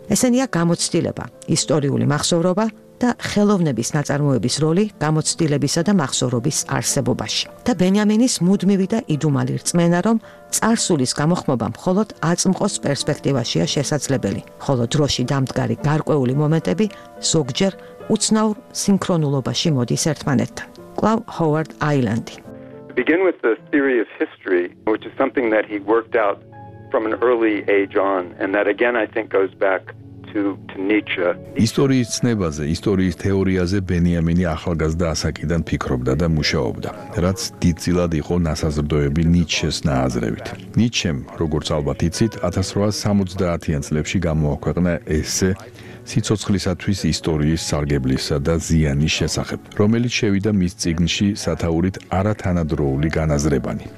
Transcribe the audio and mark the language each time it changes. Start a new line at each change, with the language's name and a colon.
Georgian: ესენია გამოცდილება, ისტორიული მახსოვრობა და ხელოვნების ნაწარმოების როლი გამოცდილებისა და მახსოვრობის არსებობაში. და ბენიამინის მუდმივი და იდუმალი რწმენა, რომ წარსულის გამოხმობა მხოლოდ აწმყოს პერსპექტივაშია შესაძლებელი, ხოლო დროში დამდგარი გარკვეული მომენტები ზოგჯერ უცნაურ სინქრონულობაში მოდის ერთმანეთთან. კვლავ ჰოვარდ აილანდი.
English: Begin with the theory of history, which is something that he worked out from an early age on, and that again I think goes back to Nietzsche.
Georgian: ისტორიის ცნებაზე, ისტორიის თეორიაზე ბენიამინი ახალგაზრდა ასაკიდან ფიქრობდა და მუშაობდა, რაც დიდწილად იყო ნასაზრდოები ნიცშეს ნააზრევით. ნიცშემ, როგორც ალბათ იცით, 1860-იან წლებში გამოაქვეყნა ესე სიცოცხლისათვის ისტორიის სარგებლისა და ზიანის შესახებ, რომელიც შევიდა მის წიგნში სათაურით არათანადროული განაზრებანი.